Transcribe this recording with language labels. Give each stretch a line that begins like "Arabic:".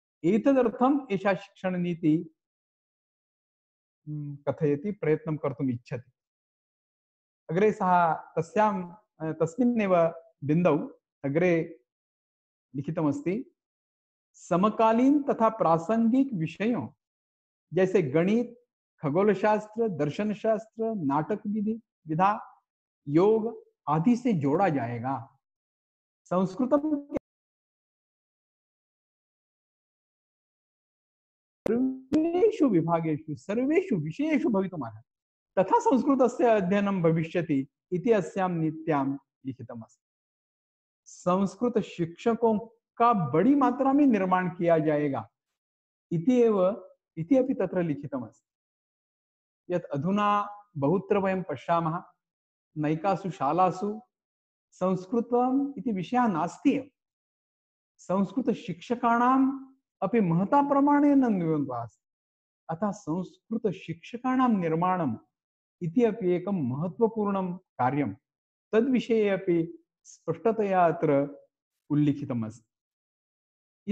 Sanskrit: एतदर्थं एषा शिक्षणनीति कथयति, प्रयत्नं कर्तुम् इच्छति। अग्रे सः तस्यां तस्मिन्नेव बिन्दौ अग्रे लिखितमस्ति,
Hindi: समकालीन तथा प्रासंगिक विषयों जैसे गणित, खगोलशास्त्र, दर्शनशास्त्र, नाटक विधि विधा, योग आदि से जोड़ा जाएगा।
Sanskrit: संस्कृतम के सर्वेषु विभागेषु सर्वेषु विषयेषु भवितुमर्हति तथा संस्कृतस्य अध्ययनं भविष्यति इति अस्यां नित्यां लिखितमस्ति।
Hindi: संस्कृत शिक्षकों का बड़ी मात्रा में निर्माण किया जाएगा
Sanskrit: इति एव इति अपि तत्र लिखितमस्ति। यत् अधुना बहुत्र वयं पश्यामः नैकासु शालासु संस्कृतम् इति विषयः नास्ति एव, संस्कृत शिक्षकाणां अपि महता प्रमाणेन न्यूनता अस्ति। अतः संस्कृत शिक्षकाणां निर्माणम् इति अपि एकं महत्वपूर्णं कार्यं, तद्विषये अपि स्पष्टतया अत्र उल्लिखितमस्ति।